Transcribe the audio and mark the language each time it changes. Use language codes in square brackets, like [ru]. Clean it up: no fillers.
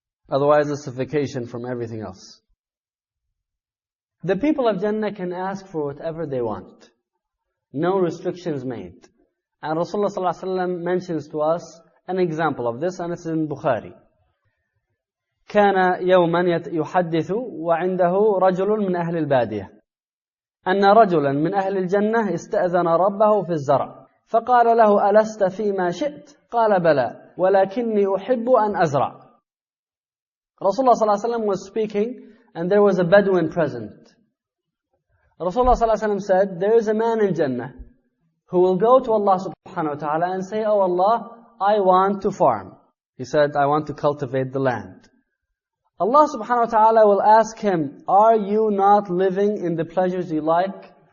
[en] Otherwise, it's a vacation from everything else. The people of Jannah can ask for whatever they want. No restrictions made. And Rasulullah sallallahu alaihi wasallam mentions to us an example of this, and it's in Bukhari. [ar] كَانَ يَوْمًا يُحَدِّثُ وَعِنْدَهُ رَجُلٌ مِنْ أَهْلِ الْبَادِيَةِ أن رجلا من أهل الجنة استأذن ربه في الزرع فقال له ألست فيما شئت قال بلى ولكني أحب أن أزرع. رسول الله صلى الله عليه وسلم [en] was speaking and there was a Bedouin present. رسول الله صلى الله عليه وسلم said, there is a man in Jannah who will go to Allah subhanahu wa ta'ala and say, "Oh Allah, I want to farm." He said, "I want to cultivate the land." Allah subhanahu wa ta'ala will ask him, "Are you not living in the pleasures you like?